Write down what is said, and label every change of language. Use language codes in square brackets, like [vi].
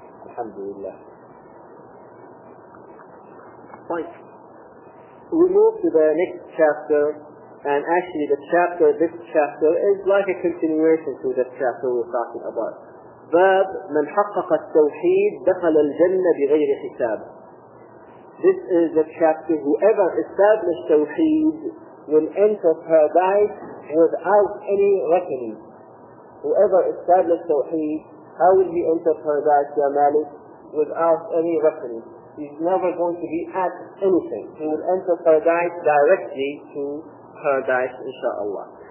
[ar] Alhamdulillah. [en] Fine. We move to the next chapter, and actually this chapter, is like a continuation to the chapter we're talking about. [ar] باب من حقق التوحيد دخل الجنة بغير حساب. [en] This is the chapter, whoever established tawheed will enter paradise without any reckoning. Whoever established tawheed, how will he enter paradise, Ya Malik, without any reckoning? He's never going to be at anything. He will enter paradise directly to paradise, inshaAllah.